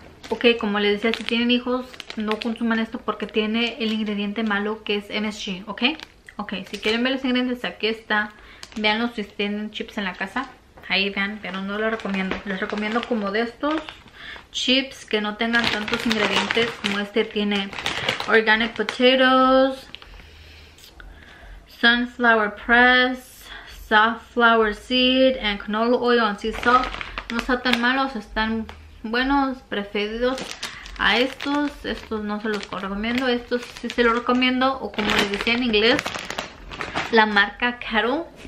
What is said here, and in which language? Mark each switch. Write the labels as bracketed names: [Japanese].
[Spanish] Okay, como les decía, si tienen hijos, no consuman esto porque tiene el ingrediente malo que es MSG, ¿ok? Ok, si quieren ver los ingredientes, aquí está. Veanlo si tienen chips en la casa. Ahí vean, pero no lo recomiendo. Les recomiendo como de estos chips que no tengan tantos ingredientes como este. [English] Tiene organic potatoes, sunflower press, safflower seed, and canola oil and sea salt. [Spanish] No están tan malos, están buenos, preferidos a estos. Estos no se los recomiendo. Estos sí se los recomiendo. O como les decía en inglés, la marca Kettle.